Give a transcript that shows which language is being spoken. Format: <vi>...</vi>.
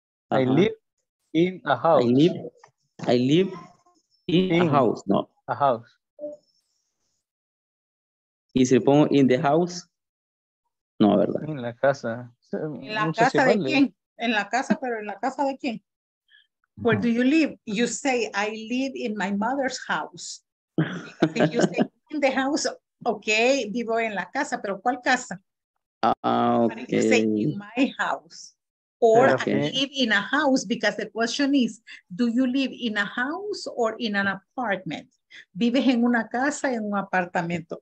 <en>I live in a house. I live in a house, no. A house.</en> <es>¿Y si pongo</es> <en>in the house?</en> <es>No, ¿verdad? En la casa. ¿En la casa de quién? En la casa, pero ¿en la casa de quién?</es> <en>Where do you live? You say, I live in my mother's house. You say, in the house, okay,</en> <es>vivo en la casa, pero ¿cuál casa?</es> <en>Okay. You say, in my house. Or okay. I live in a house, because the question is, do you live in a house or in an apartment?</en> <es>¿Vives en una casa o en un apartamento?</es>